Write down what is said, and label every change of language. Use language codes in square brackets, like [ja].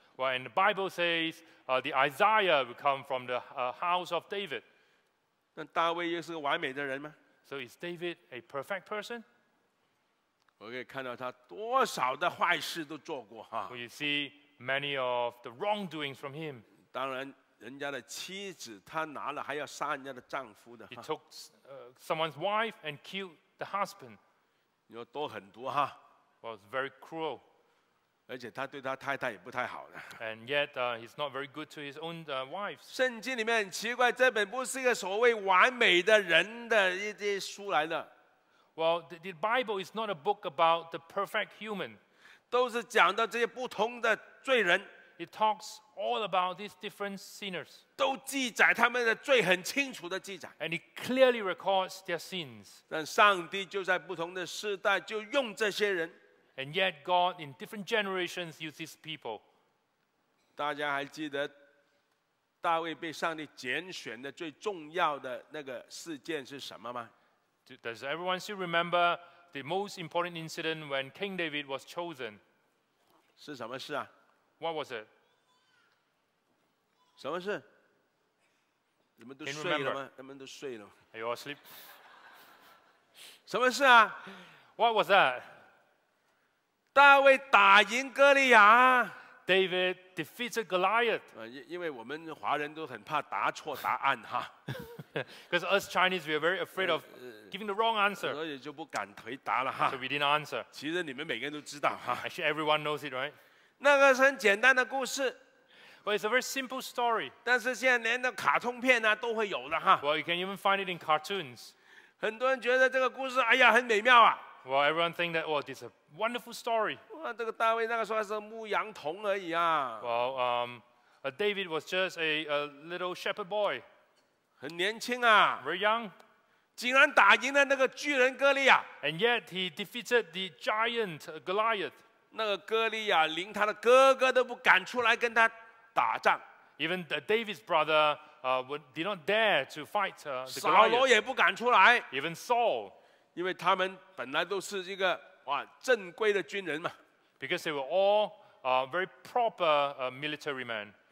[en] Well, and the Bible says, the Isaiah will come from the house of David. [zh] 那大卫又是个完美的人吗？ [en] So is David a perfect person? [zh] 我可以看到他多少的坏事都做过哈。 [en] Well, you see many of the wrongdoings from him. [zh] 当然。人家的妻子他拿了还要杀人家的丈夫的。 [en] He took someone's wife and killed the husband. [zh] 你说多狠毒哈。 [en] Well, it's very cruel. [zh] 而且他对他太太也不太好的。 [en] And yet, he's not very good to his own wife. [zh] 圣经里面很奇怪，这本不是一个所谓完美的人的一些书来的。 [en] Well, the Bible is not a book about the perfect human. [zh] 都是讲到这些不同的罪人。 [en] It talks all about these different sinners. [zh] 都记载他们的罪很清楚的记载。 [en] And it clearly records their sins. [zh] 但上帝就在不同的世代就用这些人。 [en] And yet God in different generations uses people. [zh] 大家还记得大卫被上帝拣选的最重要的那个事件是什么吗？ [en] Does everyone still remember the most important incident when King David was chosen? [zh] 是什么事啊？ [en] What was it? [zh] 什么事？你们都睡了吗？他们都睡了。 [en] Are you asleep? [zh] 什么事啊？ [en] What was that? [zh] 大卫打赢哥利亚。 [en] David defeated Goliath. [zh] 因为我们华人都很怕答错答案哈。 [en] Because us Chinese, we are very afraid of giving the wrong answer. [zh] 所以就不敢回答了哈。 [en] So we didn't answer. [zh] 其实你们每个人都知道哈。 [en] Actually, everyone knows it, right? [zh] 那个是很简单的故事。 [en] Well, it's a very simple story. [zh] 但是现在连的卡通片啊都会有的哈。 [en] Well, you can even find it in cartoons. [zh] 很多人觉得这个故事，哎呀，很美妙啊。 [en] Well, everyone think that, well, it's a wonderful story. [zh] 哇，这个大卫那个时候是牧羊童而已啊。 [en] Well, David was just a little shepherd boy. [zh] 很年轻啊 [en] very young, [zh] 竟然打赢了那个巨人哥利亚 [en] and yet he defeated the giant Goliath. [zh] 那个哥利亚连他的哥哥都不敢出来跟他打仗 [en] even David's brother did not dare to fight the Goliath. [zh] 扫罗也不敢出来 [en] even Saul, [zh] 因为他们本来都是一个哇正规的军人嘛 [en] because they were all very proper military men.